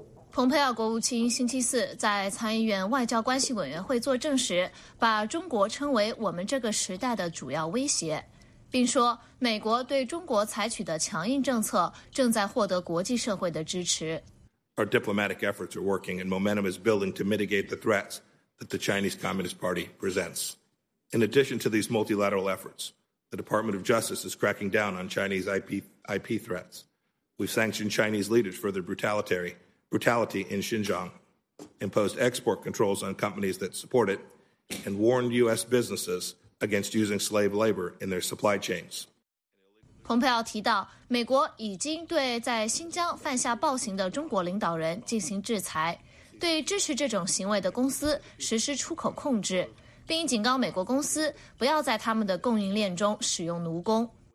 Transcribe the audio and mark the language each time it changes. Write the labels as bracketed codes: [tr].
[zh] 蓬佩奥国务卿星期四在参议院外交关系委员会作证时，把中国称为我们这个时代的主要威胁，并说美国对中国采取的强硬政策正在获得国际社会的支持。 [en] Our diplomatic efforts are working and momentum is building to mitigate the threats that the Chinese Communist Party presents. In addition to these multilateral efforts, the Department of Justice is cracking down on Chinese IP threats. We've sanctioned Chinese leaders for their brutality in Xinjiang, imposed export controls on companies that support it, and warned U.S. businesses against using slave labor in their supply chains. [zh] 蓬佩奥提到，美国已经对在新疆犯下暴行的中国领导人进行制裁，对支持这种行为的公司实施出口控制，并警告美国公司不要在他们的供应链中使用奴工。